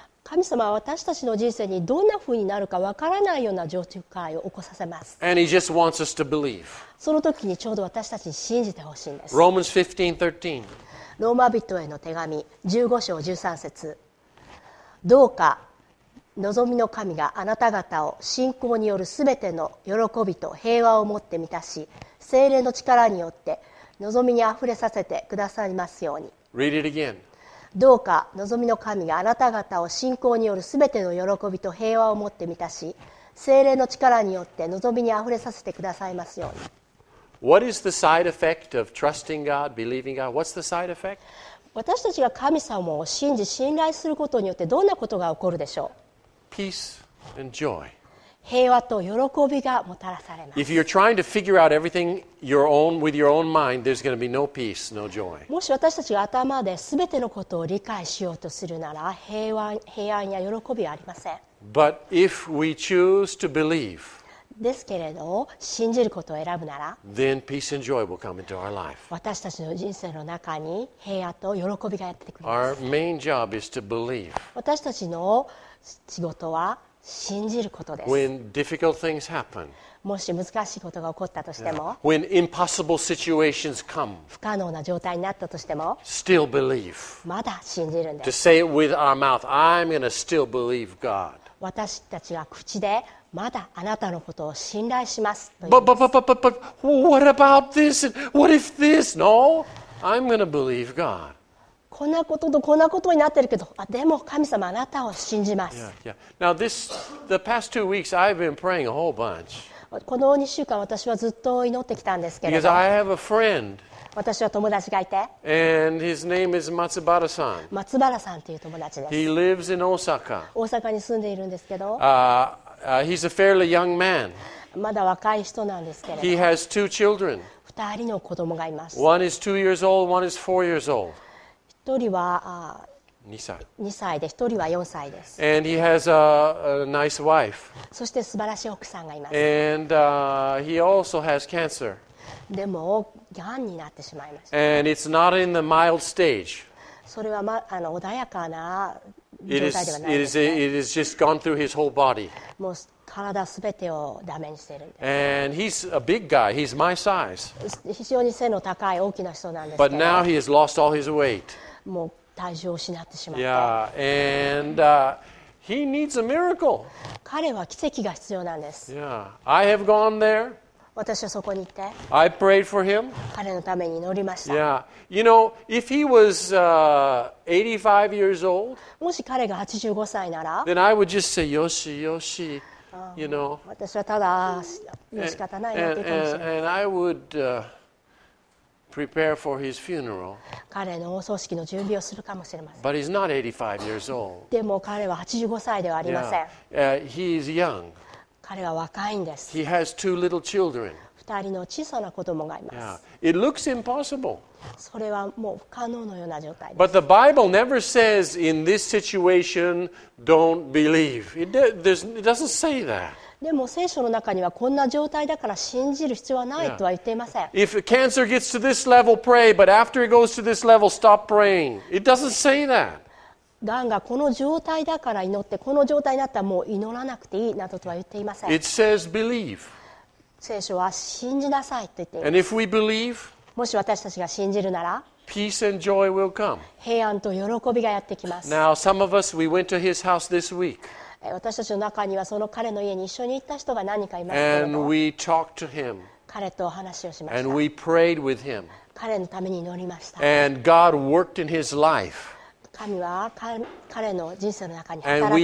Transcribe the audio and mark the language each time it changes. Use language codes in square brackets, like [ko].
[ja] 神様は私たちの人生にどんな風になるかわからないような状況を起こさせます。 [en] And he just wants us to believe. [ja] その時にちょうど私たちに信じてほしいんです。 [en] Romans 15:13. [ja] ローマ人への手紙15章13節。どうか望みの神があなた方を信仰によるすべての喜びと平和をもって満たし、聖霊の力によって望みにあふれさせてくださいますように。 [en] Read it again. [ja] どうか望みの神があなた方を信仰によるすべての喜びと平和をもって満たし、聖霊の力によって望みにあふれさせてくださいますように。 [en] What is the side effect of trusting God, believing God? What's the side effect? [ja] 私たちが神様を信じ信頼することによってどんなことが起こるでしょう。 [en] Peace and joy. [ja] 平和と喜びがもたらされます。 [en] If you're trying to figure out everything your own, with your own mind, there's going to be no peace, no joy. [ja] もし私たちが頭で全てのことを理解しようとするなら、平安や喜びはありません。 [en] But if we choose to believe, [ja] ですけれど、信じることを選ぶなら、 [en] then peace and joy will come into our life. [ja] 私たちの人生の中に平安と喜びがやってくる。 [en] Our main job is to believe. [ja] 私たちの仕事は信じることです。 [en] When difficult things happen, [ja] もし難しいことが起こったとしても、 [en] yeah. When impossible situations come, [ja] 不可能な状態になったとしても、 [en] still believe. [ja] まだ信じるんです。 [en] To say it with our mouth, I'm going to still believe God. [ja] 私たちは口でまだあなたのことを信頼しますといます。 [en] But what about this? What if this? No, I'm going to believe God. [ja] こんなこととこんなことになってるけど、あ、でも神様あなたを信じます。 [en] Yeah, yeah. Now this, the past two weeks, I've been praying a whole bunch. [ja] この2週間私はずっと祈ってきたんですけれど。 [en] Because I have a friend. [ja] 私は友達がいて。 [en] And his name is Matsubara-san. [ja] 松原さんという友達です。 [en] He lives in Osaka. [ja] 大阪に住んでいるんですけど。 [en] He's a fairly young man. [ja] まだ若い人なんですけれど。 [en] He has two children. [ja] 二人の子供がいます。 [en] One is 2 years old, one is 4 years old. [ja] 一人は 2歳で、一人は4歳です。 [en] And he has a nice wife. [ja] そして素晴らしい奥さんがいます。 [en] And he also has cancer. [ja] でも、がんになってしまいました。 [en] And it's not in the mild stage. [ja] それは、ま、あの穏やかな状態ではないですね。 [en] It is just gone through his whole body. [ja] もう体すべてをダメにしているんです。 [en] And he's a big guy. He's my size. [ja] 非常に背の高い大きな人なんですけど。 [en] But now he has lost all his weight. [ja] もう体重を失ってしまった。 [en] Yeah, and he needs a miracle. [ja] 彼は奇跡が必要なんです。 [en] Yeah, I have gone there. [ja] 私はそこに行って。 [en] I prayed for him. [ja] 彼のために祈りました。 [en] Yeah, you know, if he was 85 years old, [ja] もし彼が85歳なら、 [en] then I would just say, [ja] Yoshi, Yoshi, [en] you know. [ja] 私はただ、仕方ないなって感じ。 [en] And I would. Prepare for his funeral. [ja] 彼のお葬式の準備をするかもしれません。 [en] But he's not 85 years old. [ja] でも彼は85歳ではありません。 [en] Yeah. He is young. [ja] 彼は若いんです。 [en] He has two little children. [ja] 二人の小さな子供がいます。 [en] Yeah. It looks impossible. [ja] それはもう不可能のような状態です。 [en] But the Bible never says in this situation, don't believe. It doesn't say that. [ja] でも聖書の中にはこんな状態だから信じる必要はないとは言っていません。 [en] If cancer gets to this level, pray. But after it goes to this level, stop praying. It doesn't say that. [ja] がんがこの状態だから祈って、この状態になったらもう祈らなくていいなどとは言っていません。 [en] It says believe. [ja] 聖書は信じなさいと言っています。 [en] And if we believe, [ja] もし私たちが信じるなら、 [en] peace and joy will come. [ja] 平安と喜びがやってきます。 [en] Now some of us, we went to his house this week. [ja] 私たちの中にはその彼の家に一緒に行った人が何かいますけれど、彼とお話をしました。 [en] And we prayed with him. [ja] 彼のために祈りました。 [en] And God worked in his life. [ja] 神は彼の人生の中に働かれ